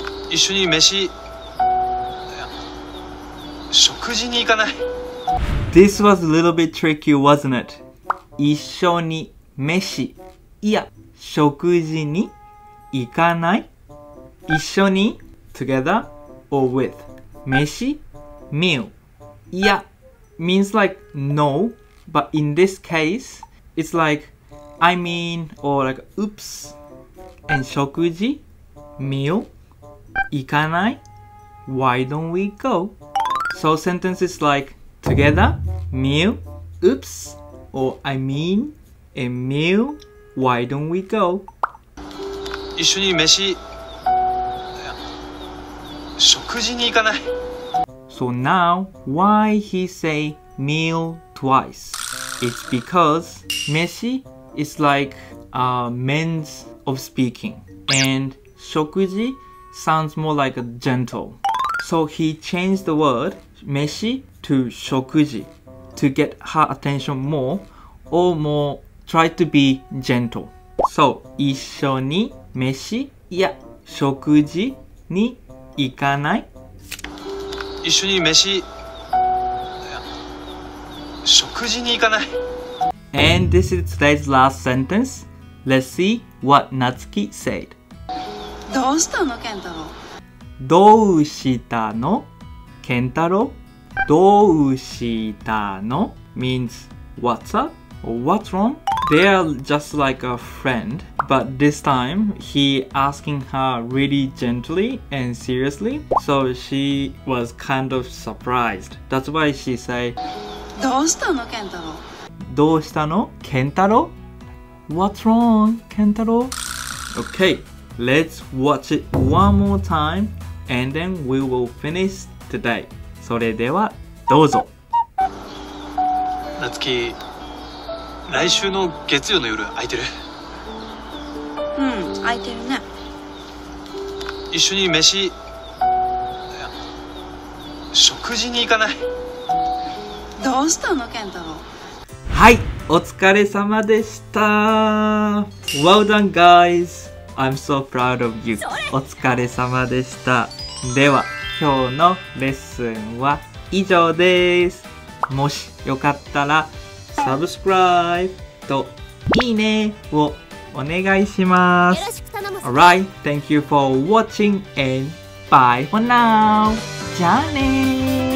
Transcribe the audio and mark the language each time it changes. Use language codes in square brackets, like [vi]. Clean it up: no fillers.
[ja] 一緒に飯、食事に行かない。 [en] This was a little bit tricky, wasn't it? [ja] 一緒に飯、いや、食事に行かない。 [en] 一緒に、together or with. Meshi, meal. Yeah, means like no, but in this case, it's like I mean or like oops. And shokuji, meal, ikanai, why don't we go? So sentences like together, meal, oops, or I mean, and meal, why don't we go? [ja] 一緒に飯、食事に行かない。 [en] So now, why he say meal twice? It's because 飯 is like a means of speaking. And 食事 sounds more like a gentle. So he changed the word 飯 to 食事 to get her attention more or more try to be gentle. [ja] So 一緒に飯いや食事に行かない？一緒に飯、食事に行かない。 [en] And this is today's last sentence. Let's see what Natsuki said. [ja] どうしたの、ケンタロウ。どうしたの、ケンタロウ。どうしたの [en] means what's up or what's wrong. They are just like a friend, but this time he asking her really gently and seriously. So she was kind of surprised. That's why she say, [ja] どうしたの、ケンタロウ？どうしたの、ケンタロウ？ [en] What's wrong, ケンタロウ？ Okay, let's watch it one more time and then we will finish today. [ja] それではどうぞ。夏希、来週の月曜の夜空いてる？うん、空いてるね。一緒に飯、いや、食事に行かない？どうしたの、ケンタロウ？はい、お疲れ様でした。 [en] Well done, guys. I'm so proud of you. [ja] お疲れ様でした。では、今日のレッスンは以上です。もしよかったらサブスクライブといいねをお願いします。よろしく頼む。 [en] Alright, thank you for watching and bye for now. [ja] じゃあねー。